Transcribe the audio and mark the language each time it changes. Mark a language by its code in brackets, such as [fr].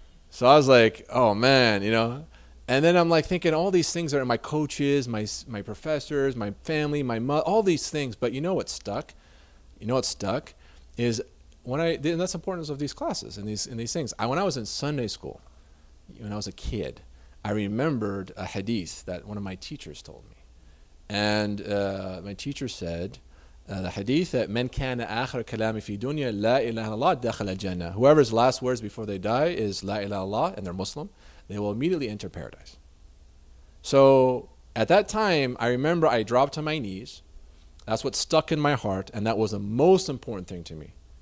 [en] So I was like, oh man, you know? And then I'm like thinking all these things are my coaches, my professors, my family, my mother, all these things. But you know what stuck? You know what stuck? Is when and that's the importance of these classes and these things. When I was in Sunday school, when I was a kid, I remembered a hadith that one of my teachers told me. And my teacher said, the hadith that [ar] من كان آخر كلامي في دنيا لا إله إلا الله دخل الجنة. [en] Whoever's last words before they die is [ar] لا إله إلا الله, [en] and they're Muslim, they will immediately enter paradise. So at that time, I remember I dropped to my knees. That's what stuck in my heart, and that was the most important thing to me.